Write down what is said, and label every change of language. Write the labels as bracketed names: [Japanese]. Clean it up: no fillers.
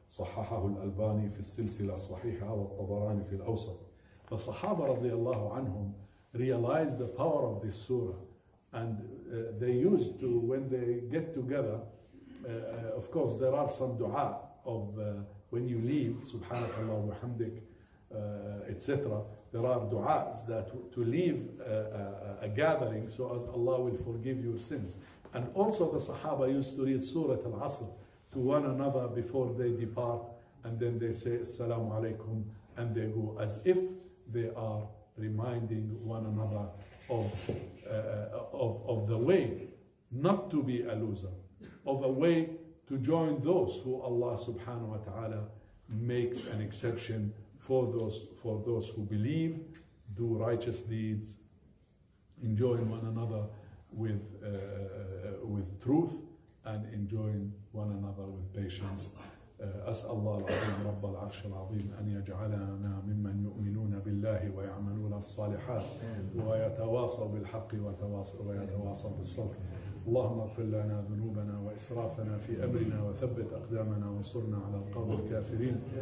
[Arabic] صححه الألباني في السلسلة الصحيحة والطبراني في الأوسط. [English] The Sahaba radiallahu anhum realized the power of this surah, and they used to, when they get together, of course there are some dua of when you leave, [Arabic] subhanakallah wa hamdik, [English] etc. There are duas that to leave a gathering so as Allah will forgive your sins. And also the Sahaba used to read Surah Al-Asr to one another before they depart, and then they say assalamu alaikum and they go, as if they are reminding one another of the way not to be a loser, of a way to join those who Allah subhanahu wa ta'ala makes an exception for those who believe, do righteous deeds, enjoin one another with truth, and enjoin one another with patience. [Arabic] أسأل الله العظيم رب العرش العظيم أن يجعلنا ممن يؤمنون بالله ويعملون الصالحات ويتواصوا بالحق ويتواصوا بالصبر. اللهم اغفر لنا ذنوبنا وإسرافنا في أمرنا وثبت أقدامنا وانصرنا على القوم الكافرين.